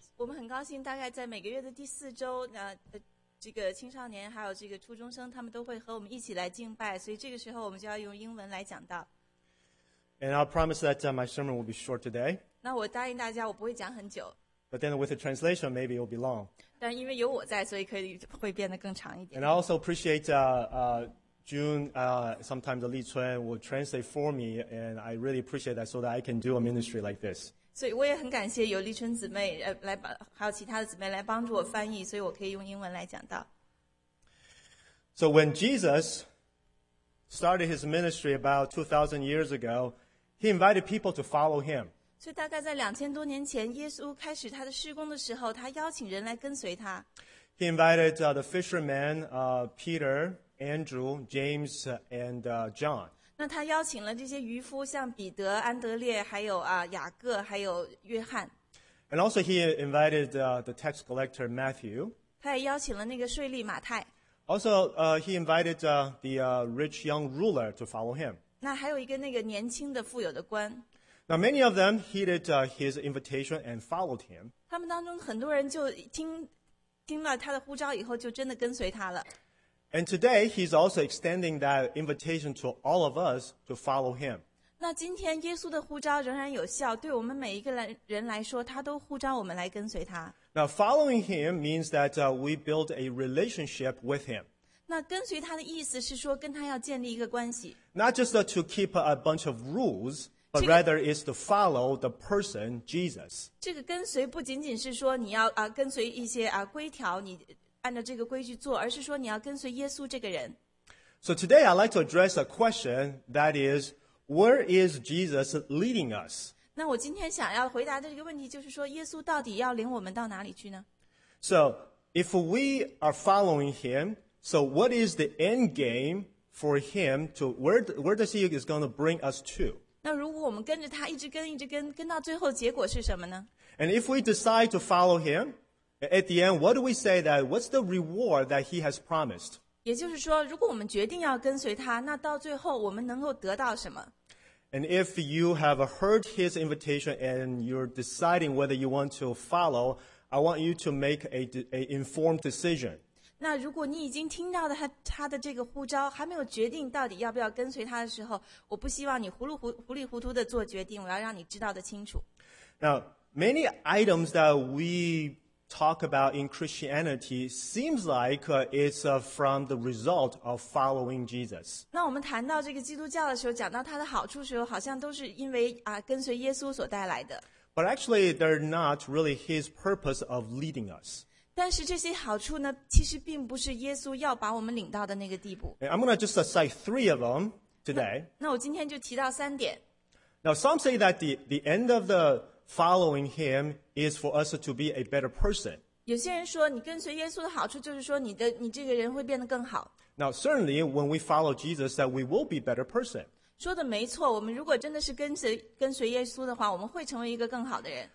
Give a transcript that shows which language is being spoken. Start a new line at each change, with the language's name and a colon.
Chinese: 我们很高兴大概在每个月的第四周这个青少年还有这个初中生他们都会和我们一起来敬拜所以这个时候我们就要用英文来讲道。
English: And I'll promise that my sermon will be short today.
Chinese: 那我答应大家我不会讲很久。
English: But then with the translation, maybe it will be long.
Chinese: 但因为有我在所以可以会变得更长一点。
English: And I also appreciate June, sometimes Li Chun will translate for me, and I really appreciate that so that I can do a ministry like this.
Chinese: 所以我也很感谢有丽春姊妹来帮，还有其他的姊妹来帮助我翻译，所以我可以用英文来讲道。
English: So when Jesus started his ministry about 2,000 years ago, he invited people to follow him.
Chinese: 所以大概在两千多年前，耶稣开始他的事工的时候，他邀请人来跟随他。
English: He invited the fishermen, Peter, Andrew, James, and John.
Chinese: 那他邀请了这些渔夫，像彼得、安德烈，还有雅各，还有约翰。
English: And also he invited the tax collector Matthew.
Chinese: 他也邀请了那个税吏马太。
English: Also, he invited rich young ruler to follow him.
Chinese: 那还有一个那个年轻的富有的官。
English: Now many of them heeded his invitation and followed him.
Chinese: 他们当中很多人就听了他的呼召以后，就真的跟随他了。
English: And today, he's also extending that invitation to all of us to follow him.
Chinese: 那今天耶稣的呼召仍然有效，对我们每一个人来说，他都呼召我们来跟随他。
English: Now, following him means that we build a relationship with him.
Chinese: 那跟随他的意思是说跟他要建立一个关系。
English: Not just to keep a bunch of rules, but rather is to follow the person, Jesus.
Chinese: 这个跟随不仅仅是说你要跟随一些规条，你按照这个规矩做，而是说你要跟随耶稣这个人。
English: So today I'd like to address a question that is, where is Jesus leading us?
Chinese: 那我今天想要回答的这个问题就是说，耶稣到底要领我们到哪里去呢？
English: So if we are following him, so what is the end game for him to, where does he is going to bring us to?
Chinese: 那如果我们跟着他一直跟到最后结果是什么呢？
English: And if we decide to follow him,At the end, what do we say that, what's the reward that he has promised?
Chinese: 也就是说,如果我们决定要跟随他,那到最后我们能够得到什么?
English: And if you have heard his invitation and you're deciding whether you want to follow, I want you to make a informed decision.
Chinese: 那如果你已经听到了他的这个呼召,还没有决定到底要不要跟随他的时候,我不希望你糊里糊涂地做决定,我要让你知道得清楚。
English: Now, many items that we... talk about in Christianity seems like it's from the result of following Jesus.
Chinese: 那我们谈到这个基督教的时候，讲到它的好处的时候，好像都是因为跟随耶稣所带来的。
English: But actually, they're not really his purpose of leading us.
Chinese: 但是这些好处呢，其实并不是耶稣要把我们领到的那个地步。
English: And I'm going to just cite three of them today.
Chinese: 那我今天就提到三点。
English: Now, some say that the end of the... Following him is for us to be a better person.
Chinese: 有些人说，你跟随耶稣的好处就是说，你这个人会变得更好。
English: Now, certainly, when we follow Jesus, that we will be a better person.
Chinese: 说的没错，我们如果真的是跟随耶稣的话，我们会成为一个更好的人。